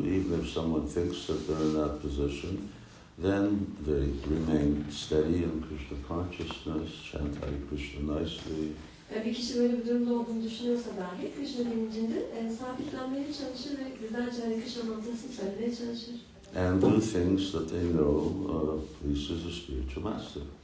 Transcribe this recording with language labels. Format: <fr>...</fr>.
<en>Even if someone thinks that they're in that position, then they remain steady in Krishna consciousness, chant Hare Krishna nicely.</en> <tr>Bir kişi böyle bir durumda olduğunu düşünüyorsa dahi Krishna bilincinde sabitlenmeye çalışır ve güzelce Hare Krishna mantrasını söylemeye çalışır.</tr> <en>And do things that they know pleases a spiritual master.</en>